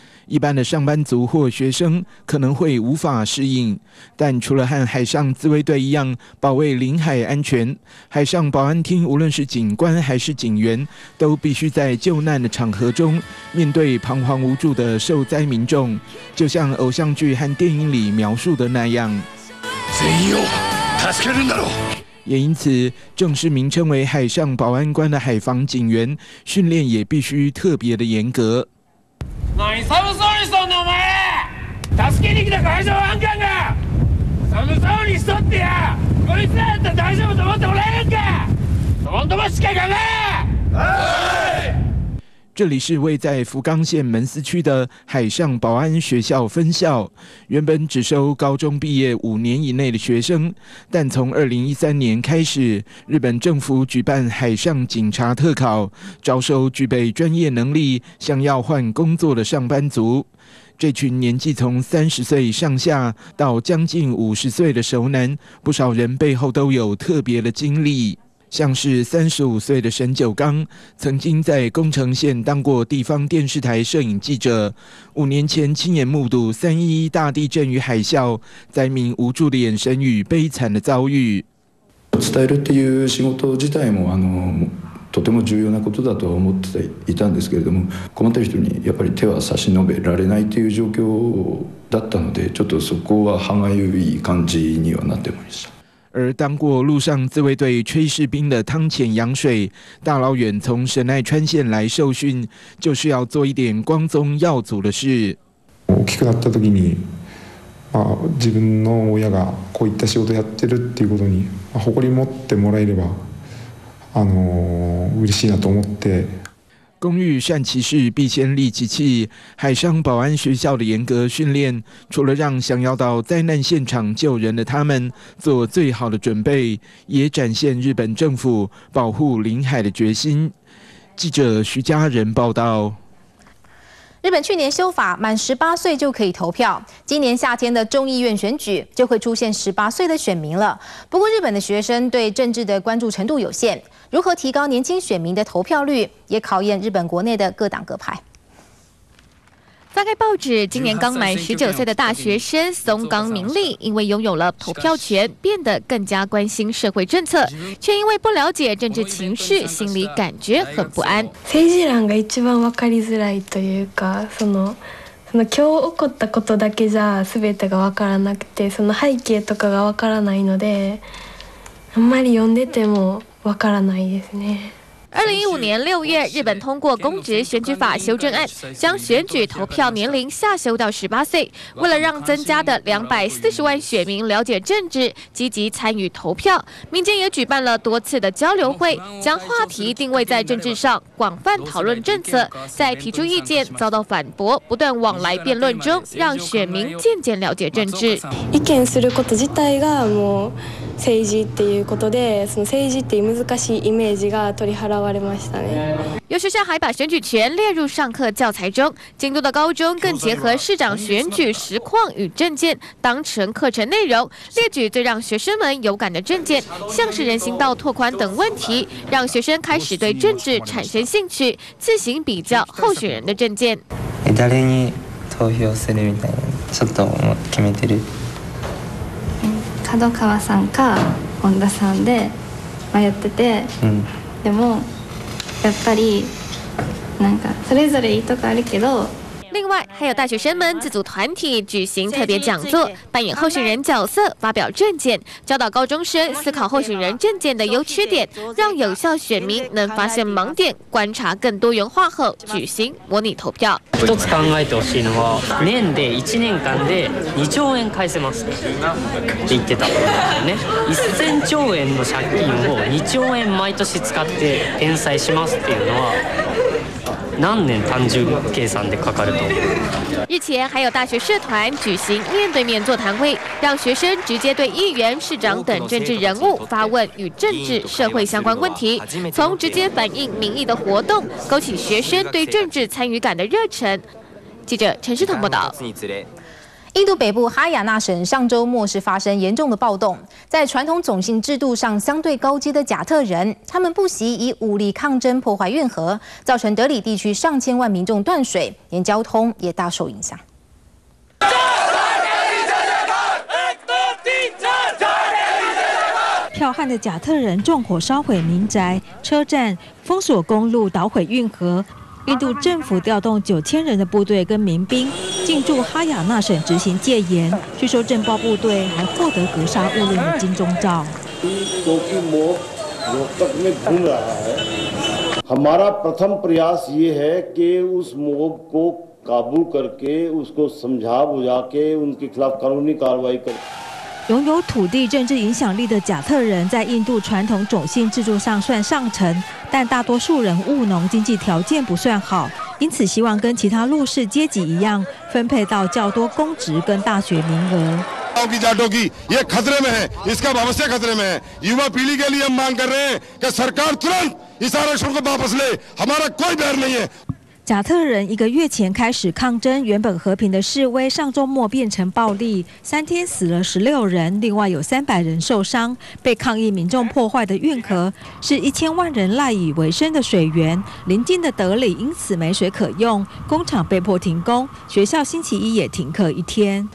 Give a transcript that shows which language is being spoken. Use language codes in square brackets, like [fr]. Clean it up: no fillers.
[zh] 一般的上班族或学生可能会无法适应，但除了和海上自卫队一样保卫领海安全，海上保安厅无论是警官还是警员，都必须在救难的场合中面对彷徨无助的受灾民众，就像偶像剧和电影里描述的那样。贼哟，他是个人的喽。也因此，正式名称为海上保安官的海防警员训练也必须特别的严格。 [ja] 何寒そうにそんなお前、助けに来た海上保安官が寒そうにしとってや、こいつらだったら大丈夫と思っておられるか？そんともしっかり考え。 [zh] 这里是位在福冈县门司区的海上保安学校分校，原本只收高中毕业五年以内的学生，但从2013年开始，日本政府举办海上警察特考，招收具备专业能力、想要换工作的上班族。这群年纪从30岁上下到将近50岁的熟男，不少人背后都有特别的经历。像是35岁的沈九刚，曾经在宫城县当过地方电视台摄影记者，五年前亲眼目睹311大地震与海啸，灾民无助的眼神与悲惨的遭遇。 [ja] 伝えるっていう仕事自体もとても重要なことだと思っていたんですけれども、困っている人にやっぱり手は差し伸べられないという状況だったので、ちょっとそこは歯がゆい感じにはなってました。 [zh] 而当过陆上自卫队炊事兵的汤浅洋水，大老远从神奈川县来受训，就是要做一点光宗耀祖的事。 [ja] 大きくなった時に、自分の親がこういった仕事やってるっていうことに、誇り持ってもらえれば、嬉しいなと思って。 [zh] 工欲善其事，必先利其器。海上保安学校的严格训练，除了让想要到灾难现场救人的他们做最好的准备，也展现日本政府保护领海的决心。记者徐佳仁报道。日本去年修法，满18岁就可以投票。今年夏天的众议院选举就会出现18岁的选民了。不过，日本的学生对政治的关注程度有限，如何提高年轻选民的投票率，也考验日本国内的各党各派。翻开报纸，今年刚满19岁的大学生松冈明利，因为拥有了投票权，变得更加关心社会政策，却因为不了解政治情绪，心里感觉很不安。 [ja] 政治欄が一番わかりづらいというか、その今日起こったことだけじゃ全てがわからなくて、その背景とかがわからないので、あんまり読んでてもわからないですね。 [zh] 2015年6月，日本通过公职选举法修正案，将选举投票年龄下修到18岁。为了让增加的240万选民了解政治，积极参与投票，民间也举办了多次的交流会，将话题定位在政治上，广泛讨论政策。在提出意见遭到反驳、不断往来辩论中，让选民渐渐了解政治。 [ja] 意見すること自体がもう政治っていうことで、その政治っていう難しいイメージが取り払われましたね。 [zh] 有学校还把选举权列入上课教材中，京都的高中更结合市长选举实况与政见当成课程内容，列举最让学生们有感的政见，像是人行道拓宽等问题，让学生开始对政治产生兴趣，自行比较候选人的政见。 [ja] 誰に投票するみたいな、ちょっと決めてる。角川さんか本田さんで迷ってて、でもやっぱりなんかそれぞれいいとこあるけど。 [zh] 另外，还有大学生们自组团体举行特别讲座，扮演候选人角色，发表政见，教导高中生思考候选人政见的优缺点，让有效选民能发现盲点，观察更多元化后举行模拟投票。 [ja] 一つ考えてほしいのは、年で1年間で2兆円返せますって言ってたね。 1000兆円の借金を2兆円毎年使って返済しますっていうのは。何年単純計算でかかると。 [zh] 日前还有大学社团举行面对面座谈会，让学生直接对议员、市长等政治人物发问与政治社会相关问题，从直接反映民意的活动，勾起学生对政治参与感的热忱。记者陈世彤报道。印度北部哈亚纳省上周末是发生严重的暴动，在传统种姓制度上相对高阶的贾特人，他们不惜以武力抗争破坏运河，造成德里地区上千万民众断水，连交通也大受影响。剽悍的贾特人纵火烧毁民宅、车站，封锁公路，捣毁运河。印度政府调动9000人的部队跟民兵，进驻哈亚纳省执行戒严，据说政报部队还获得格杀勿论的金钟罩。 [hi] हमारा प्रथम प्रयास ये है कि उस मोब को काबू करके उसको समझा बुझा के उनके खिलाफ कानूनी कार्रवाई करें。 [zh] 拥有土地政治影响力的贾特人在印度传统种姓制度上算上层，但大多数人务农，经济条件不算好，因此希望跟其他弱势阶级一样，分配到较多公职跟大学名额。 [hi] गांव की जाटों की ये खतरे में है, इसका भविष्य खतरे में है। युवा पीढ़ी के लिए हम मांग कर रहे हैं कि सरकार तुरंत इस आरक्षण को वापस ले, हमारा कोई बैर नहीं है。 [zh] 贾特人一个月前开始抗争，原本和平的示威上周末变成暴力，三天死了16人，另外有300人受伤。被抗议民众破坏的运河，是1000万人赖以为生的水源，邻近的德里因此没水可用，工厂被迫停工，学校星期一也停课一天。